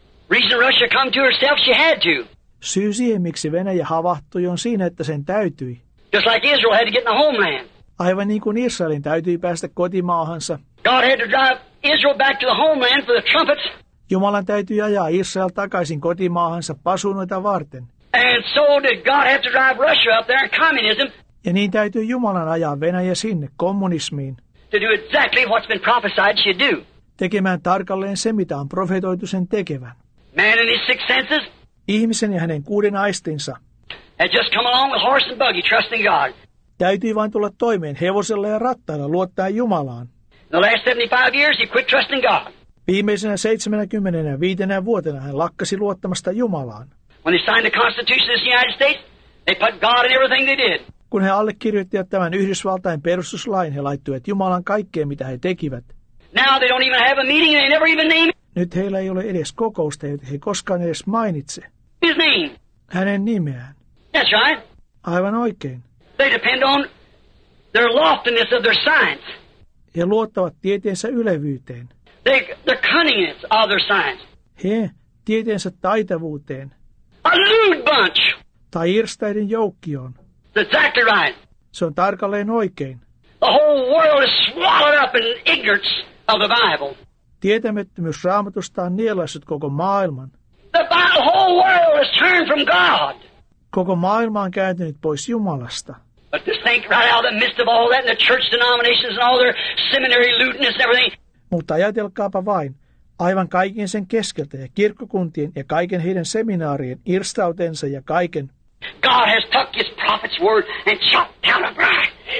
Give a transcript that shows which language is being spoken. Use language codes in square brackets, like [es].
[en] Reason Russia come to herself, she had to. [fi] Syy siihen, miksi Venäjä havahtui, on siinä, että sen täytyi. [en] Just like Israel had to get in the homeland. [fi] Aivan niin kuin Israelin täytyi päästä kotimaahansa. [en] God had to drive Israel back to the homeland for the trumpets. [fi] Jumalan täytyi ajaa Israel takaisin kotimaahansa pasunoita varten. [en] And so did God have to drive Russia up there in communism. [fi] Ja niin täytyy Jumalan ajaa Venäjä sinne kommunismiin. [en] To do exactly what's been prophesied she'd do. [fi] tekemään tarkalleen se, mitä on profetoitu sen tekevän. [en] Man and his six senses. [fi] Ihmisen ja hänen kuuden aistinsa. [en] Had just come along with horse and buggy, trusting God. [fi] Täytyy vain tulla toimeen hevosella ja rattailla luottaen Jumalaan. [en] The last 75 years he quit trusting God. [fi] Viimeisenä 75 vuotena hän lakkasi luottamasta Jumalaan. [en] When he signed the Constitution of the United States, they put God in everything they did. [fi] Kun he allekirjoittivat tämän Yhdysvaltain perustuslain, he laittoivat Jumalan kaikkeen, mitä he tekivät. [en] Now they don't even have a meeting, they never even name. [fi] Nyt heillä ei ole edes kokousta, jota he koskaan edes mainitse. [en] His name. [fi] Hänen nimeään. [en] That's right. [fi] Aivan oikein. [en] They depend on their loftiness of their science. [fi] He luottavat tieteensä ylevyyteen. [en] The cunningness of their science. [fi] He tieteensä taitavuuteen. [en] A lewd bunch. [fi] Tai irstaiden joukkioon. [en] Exactly right. [fi] Se on tarkalleen oikein. [en] The whole world is swallowed up in ignorance of the Bible. [fi] Tietämättömyys Raamatusta on nielaissut koko maailman. [en] The whole world is turned from God. [fi] Koko maailma on kääntynyt pois Jumalasta. [en] But just think right out of the midst of all that and the church denominations and all their seminary lewdness and everything. [fi] Mutta ajatelkaapa vain, aivan kaiken sen keskeltä ja kirkkokuntien ja kaiken heidän seminaarien irstautensa ja kaiken. [en] God has took his prophet's word and chopped down a bride.